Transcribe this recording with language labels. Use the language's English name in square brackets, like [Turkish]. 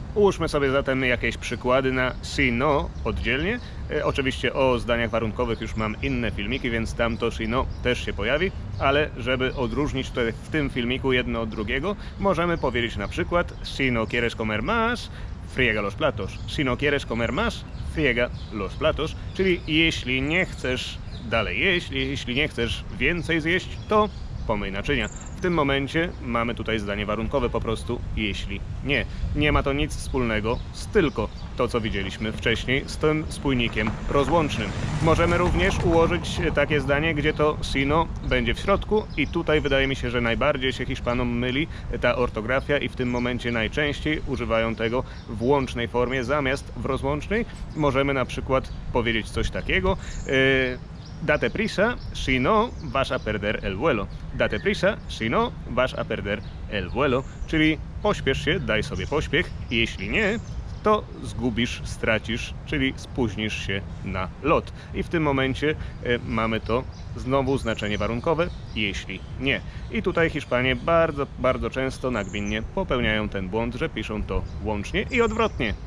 [Polish] Ułóżmy sobie zatem jakieś przykłady na si, no oddzielnie. Oczywiście o zdaniach warunkowych już mam inne filmiki, więc tamto si, no też się pojawi, ale żeby odróżnić tutaj w tym filmiku jedno od drugiego, możemy powiedzieć na przykład [Spanish] si no quieres comer más, friega los platos. Si no quieres comer más, friega los platos. [Polish] Czyli jeśli nie chcesz dalej jeść, jeśli nie chcesz więcej zjeść, to pomyj naczynia. W tym momencie mamy tutaj zdanie warunkowe, po prostu jeśli nie. Nie ma to nic wspólnego z tylko to, co widzieliśmy wcześniej, z tym spójnikiem rozłącznym. Możemy również ułożyć takie zdanie, gdzie to sino będzie w środku i tutaj wydaje mi się, że najbardziej się Hiszpanom myli ta ortografia i w tym momencie najczęściej używają tego w łącznej formie zamiast w rozłącznej. Możemy na przykład powiedzieć coś takiego. [Spanish] Date prisa, si no, vas a perder el vuelo. Date prisa, si no, vas a perder el vuelo. [Polish] Czyli pośpiesz się, daj sobie pośpiech, jeśli nie, to zgubisz, stracisz, czyli spóźnisz się na lot. I w tym momencie mamy to znowu znaczenie warunkowe, jeśli nie. I tutaj Hiszpanie bardzo, bardzo często nagminnie popełniają ten błąd, że piszą to łącznie i odwrotnie.